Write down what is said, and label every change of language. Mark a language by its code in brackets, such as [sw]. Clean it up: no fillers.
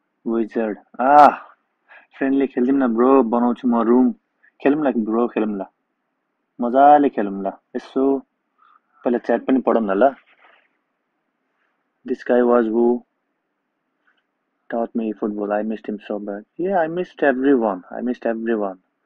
[ne] Wizard, friendly खेल्दैनौँ न bro, बनाउँछु म रुम. खेलौँ न ब्रो, खेलौँ न, मजाले खेलौँ न. यसो पहिला च्याट पनि पढौँ न ल. [en] This guy was who taught me football. I missed him so bad. Yeah I missed every one, I missed every one.